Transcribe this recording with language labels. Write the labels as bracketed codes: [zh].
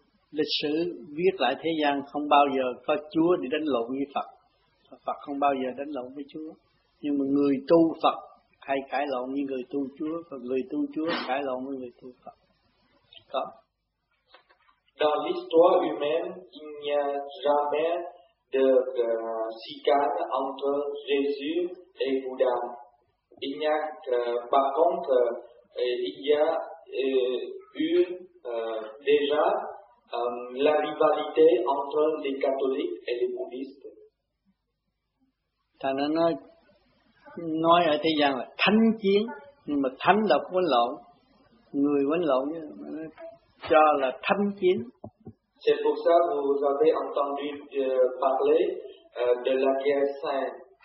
[vi] Lịch sử viết lại thế gian không bao giờ có Chúa để đánh lộn với Phật. Phật không bao giờ đánh lộn với Chúa. Nhưng mà người tu Phật hay cãi lộn với người tu Chúa, và người tu Chúa cãi lộn với người tu Phật. Đó. [fr] Dans l'histoire humaine, il n'y a jamais de chicane entre Jésus et Bouddha. Il n'y a par contre, il y a eu déjà la rivalité entre les catholiques et les bouddhistes. [vi] Ça nên nói ở thế gian là thánh chiến, nhưng mà thánh là quấn lộn, người quấn lộn chứ. Cho là thánh chiến. [fr] C'est pour ça que vous avez entendu parler de la guerre sainte.